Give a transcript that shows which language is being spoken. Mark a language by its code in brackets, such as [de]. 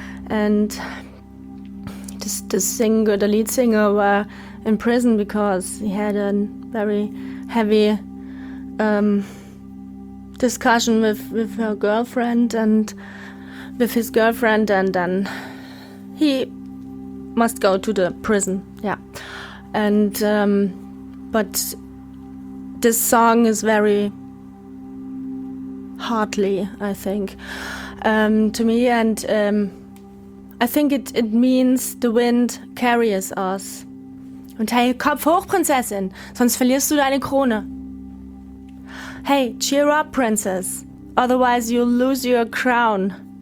[en] And the lead singer were in prison because he had a very heavy discussion with her girlfriend and with his girlfriend, and then he must go to the prison. Yeah. And but this song is very heartly, I think, to me. And I think it means the wind carries us. [de] Und hey, Kopf hoch, Prinzessin, sonst verlierst du deine Krone. [en] Hey, cheer up, princess, otherwise you'll lose your crown.